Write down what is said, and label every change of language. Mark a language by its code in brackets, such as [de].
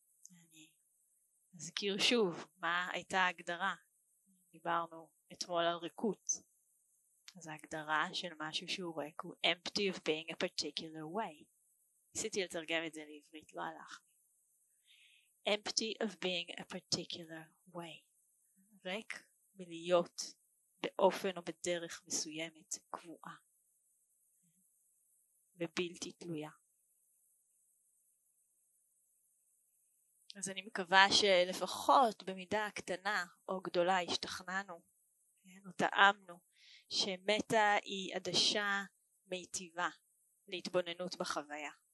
[he] אני אזכיר שוב מה הייתה ההגדרה, דיברנו אתמול על ריקות. אז ההגדרה של משהו שהוא ריק הוא [en] empty of being a particular way. [he] ניסיתי לתרגם את זה לעברית, לא הלך. [en] Empty of being a particular way. [he] ריק מלהיות באופן או בדרך מסוימת קבועה. ובלתי תלויה. אז אני מקווה שלפחות במידה הקטנה או גדולה השתכננו, כן, או טעמנו, שמטה היא עדשה מיטיבה להתבוננות בחוויה.